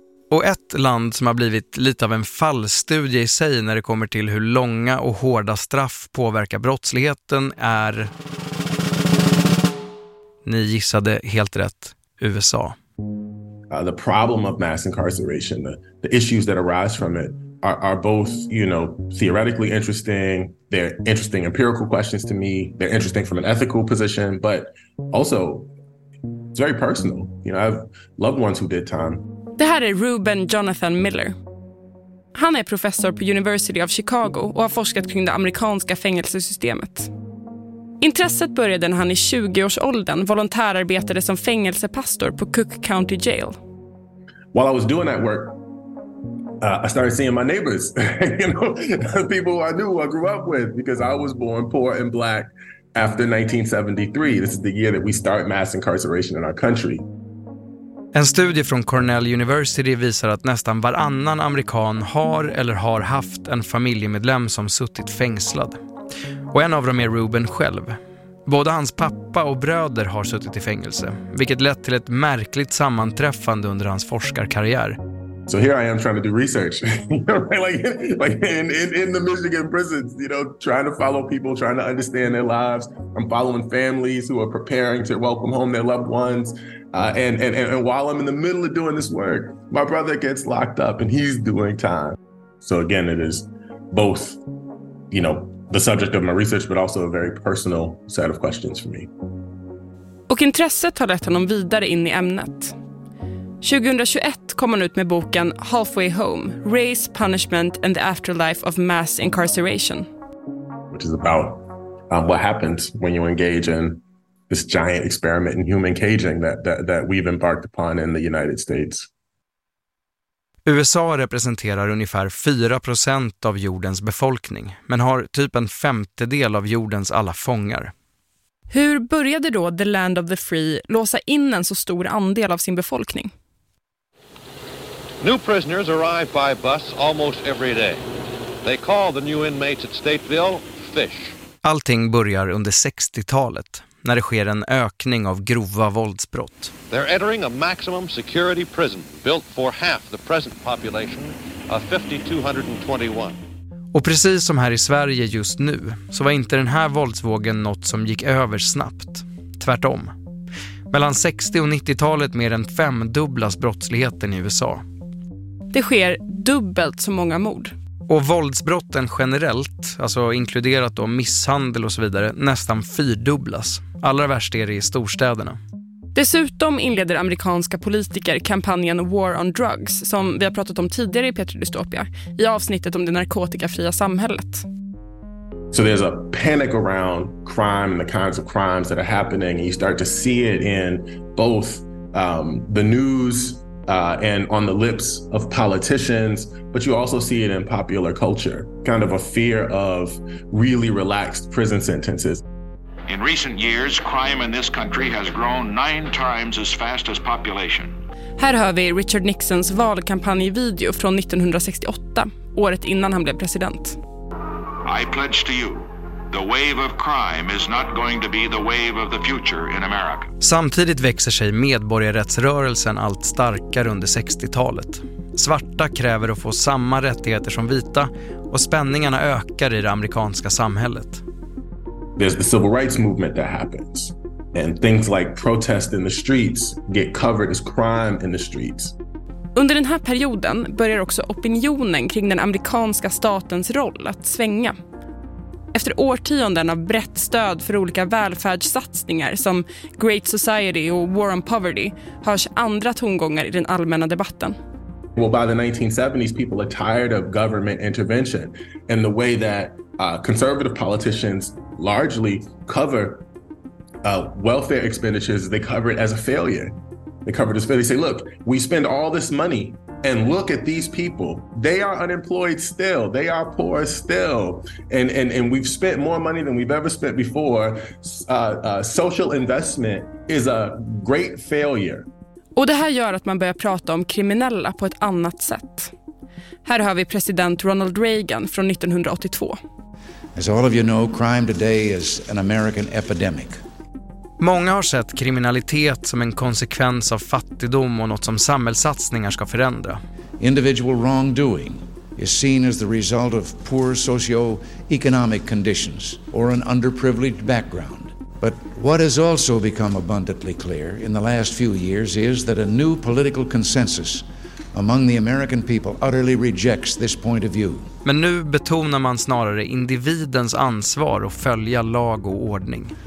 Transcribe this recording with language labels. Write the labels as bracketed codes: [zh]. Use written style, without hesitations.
[sv] Och ett land som har blivit lite av en fallstudie i sig när det kommer till hur långa och hårda straff påverkar brottsligheten är, ni gissade helt rätt, USA. [en] The problem of mass incarceration, the issues that arise from it are both, you know, theoretically interesting, they're interesting empirical questions to me, they're interesting from an ethical position, but also it's very personal. You know, I've loved ones who did time. [sv] Det här är Ruben Jonathan Miller. Han är professor på University of Chicago och har forskat kring det amerikanska fängelsesystemet. Intresset började när han i 20-årsåldern volontärarbetade som fängelsepastor på Cook County Jail. [en] While I was doing that work, I started seeing my neighbors, you know, people who I knew, I grew up with, because I was born poor and black after 1973. This is the year that we start mass incarceration in our country. [sv] En studie från Cornell University visar att nästan varannan amerikan har eller har haft en familjemedlem som suttit fängslad. Och en av dem är Ruben själv. Både hans pappa och bröder har suttit i fängelse, vilket lett till ett märkligt sammanträffande under hans forskarkarriär. [en] So here I am trying to do research. like in the Michigan prisons, you know, trying to follow people, trying to understand their lives. I'm following families who are preparing to welcome home their loved ones. And while I'm in the middle of doing this work, my brother gets locked up and he's doing time. So again, it is both, you know, the subject of my research, but also a very personal set of questions for me. [sv] Och intresset har lett honom vidare in i ämnet. 2021 kom han ut med boken Halfway Home: Race, Punishment and the Afterlife of Mass Incarceration. [en] Which is about what happens when you engage in this giant experiment in human caging that we've embarked upon in the United States. [sv] USA representerar ungefär 4% av jordens befolkning, men har typ en femtedel av jordens alla fångar. Hur började då The Land of the Free låsa in en så stor andel av sin befolkning? [en] New prisoners arrive by bus almost every day. They call the new inmates at Stateville fish. [sv] Allting börjar under 60-talet, när det sker en ökning av grova våldsbrott. [en] They're entering a maximum security prison built for half the present population of 5221. [sv] Och precis som här i Sverige just nu så var inte den här våldsvågen något som gick över snabbt. Tvärtom. Mellan 60- och 90-talet mer än femdubblas brottsligheten i USA. Det sker dubbelt så många mord. Och våldsbrotten generellt, alltså inkluderat då misshandel och så vidare, nästan fyrdubblas. Allra värst är det i storstäderna. Dessutom inleder amerikanska politiker kampanjen War on Drugs, som vi har pratat om tidigare i Petri Dystopia, i avsnittet om det narkotikafria samhället. [en] So there's a panic around crime and the kinds of crimes that are happening, and you start to see it in both the news and on the lips of politicians, but you also see it in popular culture, kind of a fear of really relaxed prison sentences. In recent years, crime in this country has grown 9 times as fast as population. [sv] Här hör vi Richard Nixons valkampanjvideo från 1968, året innan han blev president. [en] I pledge to you, the wave of crime is not going to be the wave of the future in America. [sv] Samtidigt växer sig medborgarrättsrörelsen allt starkare under 60-talet. Svarta kräver att få samma rättigheter som vita, och spänningarna ökar i det amerikanska samhället. [en] There's the civil rights movement that happens, and things like protest in the streets get covered as crime in the streets. [sv] Under den här perioden börjar också opinionen kring den amerikanska statens roll att svänga. Efter årtionden av brett stöd för olika välfärdssatsningar som Great Society och War on Poverty hörs andra tongångar i den allmänna debatten. [en] Well, by the 1970s, people are tired of government intervention and the way that conservative politicians largely cover welfare expenditures. They cover it as a failure. They cover it as a failure. They say, look, we spend all this money and look at these people. They are unemployed still. They are poor still. And we've spent more money than we've ever spent before. Social investment is a great failure. [sv] Och det här gör att man börjar prata om kriminella på ett annat sätt. Här har vi president Ronald Reagan från 1982. [en] As all of you know, crime today is an American epidemic. [sv] Många har sett kriminalitet som en konsekvens av fattigdom och något som samhällssatsningar ska förändra. [en] Individual wrongdoing is seen as the result of poor socio-economic conditions or an underprivileged background. But what has also become abundantly clear in the last few years is that a new political consensus among the American people utterly rejects this point of view. [sv] Men nu betonar man snarare individens ansvar att följa lag och ordning.